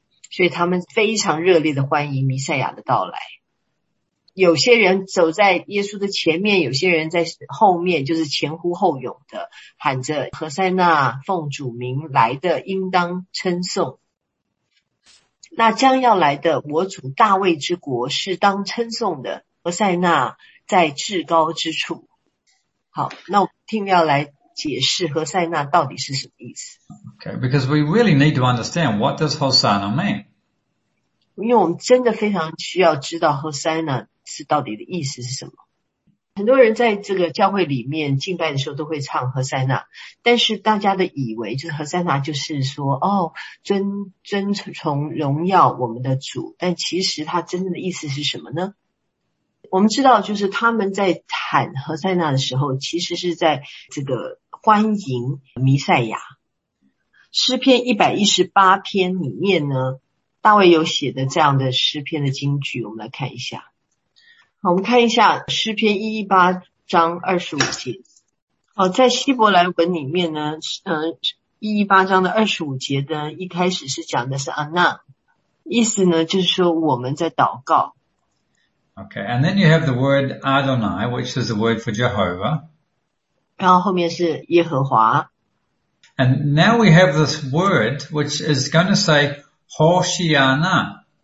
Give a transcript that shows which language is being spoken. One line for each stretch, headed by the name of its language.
Chinese: 所以他们非常热烈的欢迎弥赛亚的到来。有些人走在耶稣的前面，有些人在后面，就是前呼后拥的喊着何塞纳，奉主名来的应当称颂。那将要来的我主大卫之国是当称颂的，何塞纳在至高之处。好，那我听要来解释何塞纳到底是什么意思。
English: Okay, because we really need to understand what does Hosanna mean?
Chinese: 因为我们真的非常需要知道 Hosanna 是到底的意思是什么。很多人在这个教会里面敬拜的时候都会唱 Hosanna, 但是大家的以为就是 Hosanna 就是说哦，尊崇荣耀我们的主，但其实它真正的意思是什么呢？我们知道就是他们在喊 Hosanna 的时候其实是在这个欢迎弥赛亚。诗篇118篇里面呢，大卫有写的这样的诗篇的金句，我们来看一下。好，我们看一下诗篇118章25节。好，在希伯来文里面呢，118章的25节呢，一开始是讲的是 Anna, 意思呢就是说我们在祷告。
English: Okay, and then you have the word Adonai, which is the word for Jehovah.
Chinese: 然后后面是耶和华。
English: And now we have this word, which is going to say, Hoshiana.